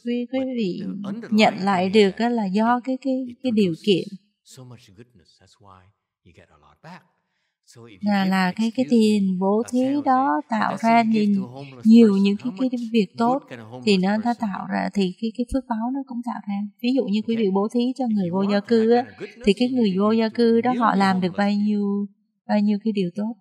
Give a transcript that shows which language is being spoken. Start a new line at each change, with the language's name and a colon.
Vietnamese: Thì quý vị nhận lại được đó là do cái điều kiện.
English: So much goodness, that's why you get a lot back. So if
Vietnamese: là cái tiền bố thí đó tạo ra nhiều những cái việc tốt thì nó tạo ra thì cái phước báo nó cũng tạo ra. Ví dụ như quý vị bố thí cho người vô gia cư á, thì cái người vô gia cư đó họ làm được bao nhiêu cái điều tốt.